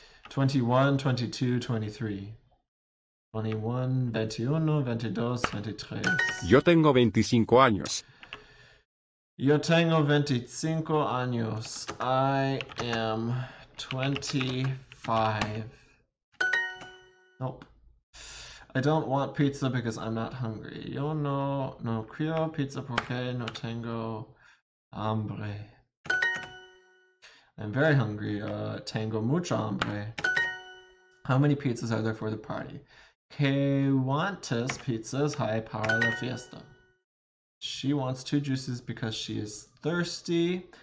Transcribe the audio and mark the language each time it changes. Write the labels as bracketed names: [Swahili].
[English] 21, 22, 23. 21, 21, 22, 23. [Spanish] Yo tengo 25 años. Yo tengo 25 años. [English] I am 25. Nope. I don't want pizza because I'm not hungry. [Spanish] Yo no quiero pizza porque no tengo hambre. [English] I'm very hungry. [Spanish] Tengo mucho hambre. [English] How many pizzas are there for the party? [Spanish] ¿Cuántas pizzas hay para la fiesta? [English] She wants two juices because she is thirsty.